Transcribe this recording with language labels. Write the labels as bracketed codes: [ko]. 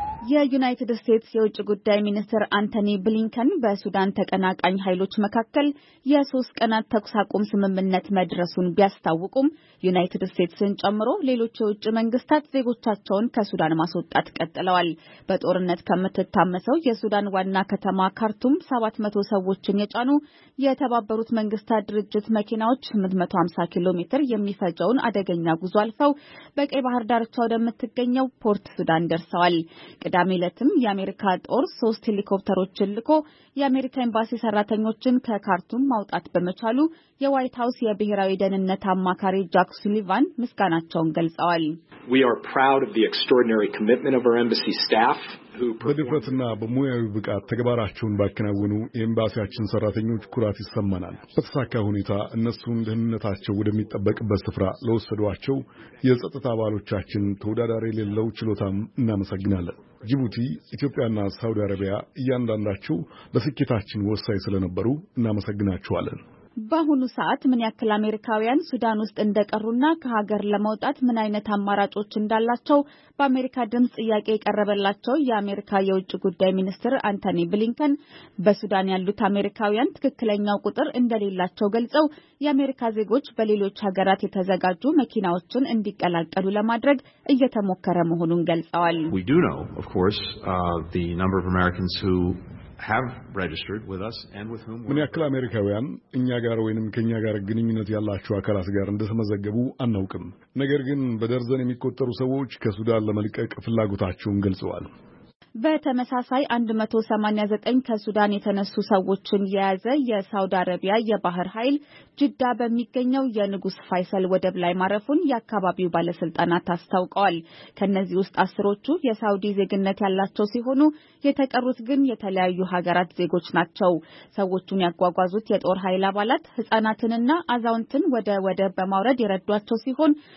[am] የዩናይትድ ስቴትስ የውጭ ጉዳይ ሚኒስትር አንቶኒ ብሊንከን በሱዳን ተቀናቃኝ ኃይሎች መካከል የሶስት ቀናት ተኩስ አቁም ስምምነት መድረሱን ቢያስታውቁም ዩናይትድ ስቴትስን ጨምሮ ሌሎች የውጭ መንግስታት ዜጎቻቸውን ከሱዳን ማስወጣት ቀጥለዋል። በጦርነት ከመተታመሰው የሱዳን ዋና ከተማ ካርቱም 700 ሰዎችን የጫኑ የተባበሩት መንግስታት ድርጅት መኪናዎች 850 ኪሎ ሜትር የሚፈጀውን አደገኛ ጉዞ አልፈው በቀይ ባህር ዳርቻው ደምትገኘው ፖርት ሱዳን ደርሰዋል። ቅዳሜ ለትም የአሜሪካ ጦር 3 ሄሊኮፕተሮችን ልኮ የአሜሪካ ኤምባሲ ሰራተኞችን ከካርቱም ማውጣት በመቻሉ የዋይት ሃውስ የብሔራዊ ደህንነት አማካሪ ጃክ ሱሊቫን ምስጋናቸውን ገልጸዋል። [en] We are proud of the extraordinary commitment of our embassy staff who [am] በድፍረትና በሙያዊ ብቃት ተግባራቸውን ባከናወኑ ኤምባሲያችን ሰራተኞች ኩራት ይሰማናል። በተሳካ ሁኔታ እነሱን ደህንነታቸው ወደሚጠበቅበት ስፍራ ለወሰዷቸው የጸጥታ አባሎቻችን ተወዳዳሪ የሌለው ችሎታም እናመሰግናለን። ጅቡቲ፣ ኢትዮጵያና ሳውዲ አረቢያ እያንዳንዳቸው ለስኬታችን ወሳኝ ስለነበሩ እናመሰግናቸዋለን። በአሁኑ ሰዓት ምን ያክል አሜሪካውያን ሱዳን ውስጥ እንደቀሩና ከሀገር ለመውጣት ምን አይነት አማራጮች እንዳላቸው በአሜሪካ ድምጽ ጥያቄ ቀረበላቸው። የአሜሪካ የውጭ ጉዳይ ሚኒስትር አንቶኒ ብሊንከን በሱዳን ያሉት አሜሪካውያን ትክክለኛው ቁጥር እንደሌላቸው ገልጸው የአሜሪካ ዜጎች በሌሎች ሀገራት የተዘጋጁ መኪናዎችን እንዲቀላቀሉ ለማድረግ እየተሞከረ መሆኑን ገልጸዋል። [en] We do know, of course, the number of Americans who have registered with us and with whom [am] ምን ያክል አሜሪካውያን እኛ ጋር ወይንም ከኛ ጋር ግንኙነት ያላቸው አካላት ጋር እንደተመዘገቡ አናውቅም። ነገር ግን በደርዘን የሚቆጠሩ ሰዎች ከሱዳን ለመልቀቅ ፍላጎታቸውን ገልጸዋል። በተመሳሳይ 189 ከሱዳን የተነሱ ሰዎችን የያዘ የሳውዲ አረቢያ የባህር ኃይል ጅዳ በሚገኘው የንጉስ ፋይሰል ወደብ ላይ ማረፉን የአካባቢው ባለስልጣናት አስታውቀዋል። ከነዚህ ውስጥ 10ዎቹ የሳውዲ ዜግነት ያላቸው ሲሆኑ የተቀሩት ግን የተለያዩ ሀገራት ዜጎች ናቸው። ሰዎቹን ያጓጓዙት የጦር ኃይል አባላት ህፃናትንና አዛውንትን ወደ ወደብ በማውረድ የረዷቸው ሲሆን